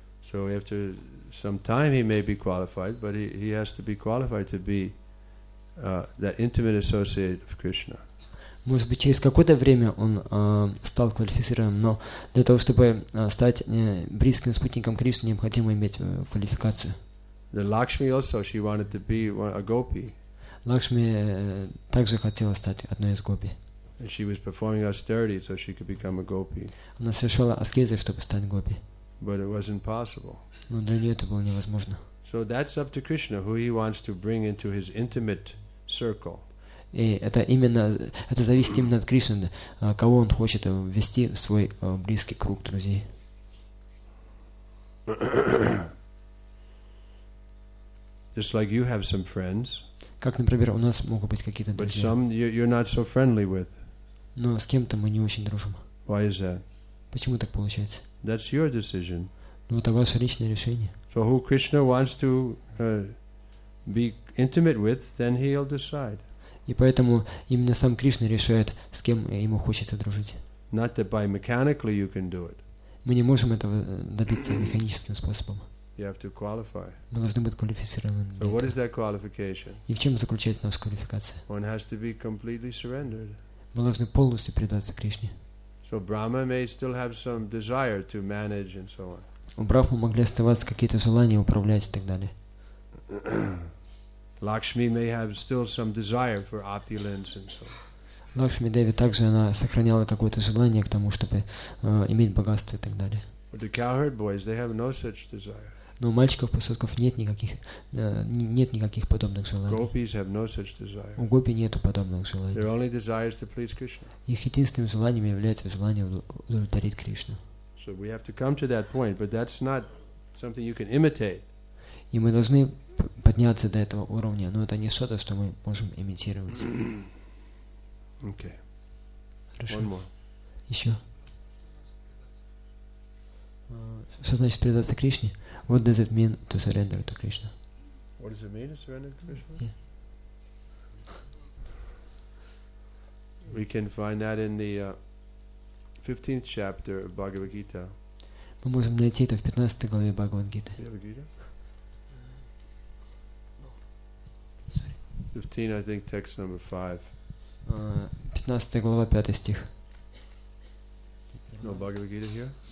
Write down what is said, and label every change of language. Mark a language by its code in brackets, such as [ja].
[en] So after some time he may be qualified, but he has to be qualified to be that intimate associate of Krishna. [ru] Может быть, через какое-то время он стал квалифицированным, но для того, чтобы стать близким спутником Кришны, необходимо иметь квалификацию. [en] The Lakshmi also, she wanted to be a gopi. [ru] Лакшми также хотела стать одной из гопи. [en] And she was performing austerity so she could become a gopi. [ru] Она совершала аскезы, чтобы стать гопи. [en] But it wasn't possible. [ru] Но для нее это было невозможно. [en] So that's up to Krishna, who he wants to bring into his intimate circle. [ru] И это зависит именно от Кришны, кого он хочет ввести в свой близкий круг друзей. [en] Just like you have some friends. [ru] Как, например, у нас могут быть какие-то друзья. [en] But some you're not so friendly with. [ru] Но с кем-то мы не очень дружим. [en] Why is that? [ru] Почему так получается? [en] That's your decision. [ru] Ну, это ваше личное решение. [en] So who Krishna wants to be intimate with, then he'll decide. [ru] И поэтому именно сам Кришна решает, с кем ему хочется дружить. [en] Not that by mechanically you can do it. [ru] Мы не можем этого добиться механическим способом. [en] You have to qualify. [ru] Мы должны быть квалифицированными. [en] So what is that qualification? [ru] И в чем заключается наша квалификация? [en] One has to be completely surrendered. [ru] Мы должны полностью предаться Кришне. [en] So Brahma may still have some desire to manage and so on. [ru] У Брахмы могли оставаться какие-то желания управлять и так далее. [en] Lakshmi may have still some desire for opulence and so on. [ru] Lakshmi Devi также она сохраняла какое-то желание к тому, чтобы иметь богатство и так далее. [en] But the cowherd boys, they have no such desire. [ru] Но у мальчиков пасотков нет никаких подобных желаний. [en] Gopis have no such desire. [ru] У гопи нету подобных желаний. [en] Their only desire is to please Krishna. [ru] Их единственным желанием является желание удовлетворить Кришну. [en] So we have to come to that point, but that's not something you can imitate. [ru] И мы должны подняться до этого уровня, но это не что-то, что мы можем имитировать. [en] Okay. [ru] Хорошо. [en] One more. [ru] Еще. Что значит предаться Кришне? [en] What does it mean to surrender to Krishna? What does it mean to surrender to Krishna? Yeah. We can find that in the 15th chapter of Bhagavad Gita. [ru] Мы можем найти это в 15 главе Бхагавад Гиты. [en] 15, I think, text number 5. [ru] 15 глава, 5 стих. [en] No Bhagavad Gita here?